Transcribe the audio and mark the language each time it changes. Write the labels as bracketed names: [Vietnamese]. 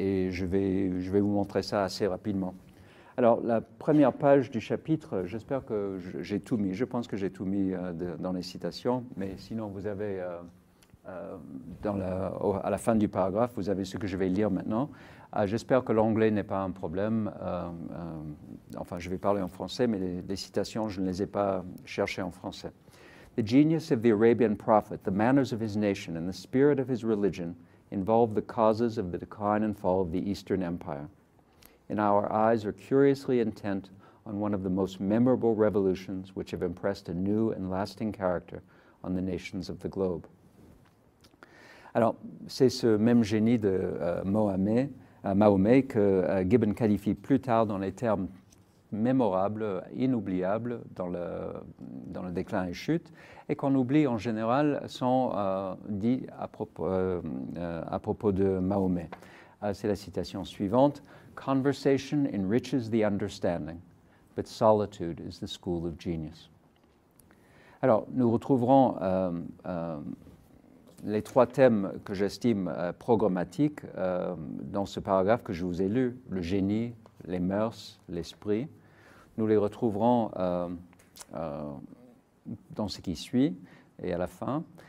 [French] Je vais vous montrer ça assez rapidement. Alors, la première page du chapitre, j'espère que j'ai tout mis. Je pense que j'ai tout mis dans les citations, mais sinon, vous avez à la fin du paragraphe, vous avez ce que je vais lire maintenant. J'espère que l'anglais n'est pas un problème. Enfin, je vais parler en français, mais les citations, je ne les ai pas cherchées en français. [English] The genius of the Arabian prophet, the manners of his nation, and the spirit of his religion involve the causes of the decline and fall of the Eastern Empire, and our eyes are curiously intent on one of the most memorable revolutions which have impressed a new and lasting character on the nations of the globe. [French] Alors, c'est ce même génie de Mahomet que Gibbon qualifie plus tard dans les termes mémorable, inoubliable dans le déclin et chute, et qu'on oublie en général sans dit à propos de Mahomet. C'est la citation suivante. [English] Conversation enriches the understanding, but solitude is the school of genius. [French] Alors, nous retrouverons les trois thèmes que j'estime programmatiques dans ce paragraphe que je vous ai lu, le génie, les mœurs, l'esprit. Nous les retrouverons dans ce qui suit et à la fin.